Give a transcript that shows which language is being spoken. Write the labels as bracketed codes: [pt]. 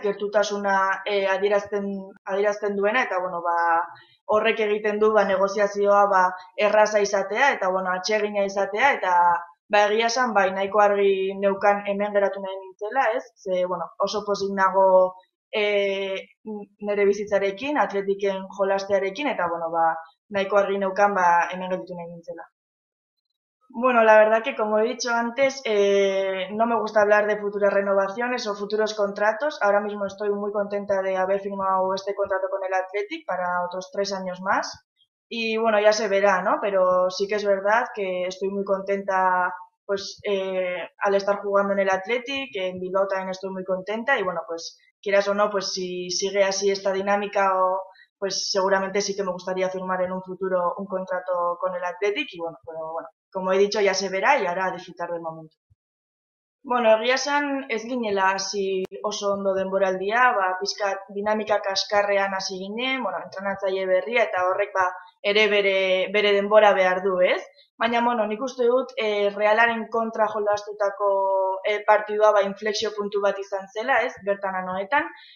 [eu] Gertutasuna adierazten duena eta bueno, horrek egiten du negoziazioa erraza izatea eta bueno, atsegina izatea eta egia esan nahiko argi neukan hemen geratu nahi nintzela, ez? Ze bueno, oso pozik nago nire bizitzarekin, Atletiken jolastearekin eta bueno, nahiko argi neukan hemen geratu nahi nintzela. [es] Bueno, la verdad que como he dicho antes, no me gusta hablar de futuras renovaciones o futuros contratos. Ahora mismo estoy muy contenta de haber firmado este contrato con el Athletic para otros 3 años más. Y bueno, ya se verá, ¿no? Pero sí que es verdad que estoy muy contenta, pues, al estar jugando en el Athletic, en Bilbao también estoy muy contenta. Y bueno, pues, quieras o no, pues si sigue así esta dinámica o pues seguramente sí que me gustaría firmar en un futuro un contrato con el Athletic y bueno, pero bueno, como he dicho, ya se verá y ahora a disfrutar del momento. [eu] Bueno, egia esan ez ginela hasi oso ondo denboraldia, ba, pixka dinamika kaskarrean hasi ginen, bueno, entrenatzaile berria eta horrek ba, ere bere denbora behar du, ez? Baina, bueno, nik uste dut Realaren kontra jolastutako partidua ba, inflexio puntu bat izan zela, ez? Bertan anoetan.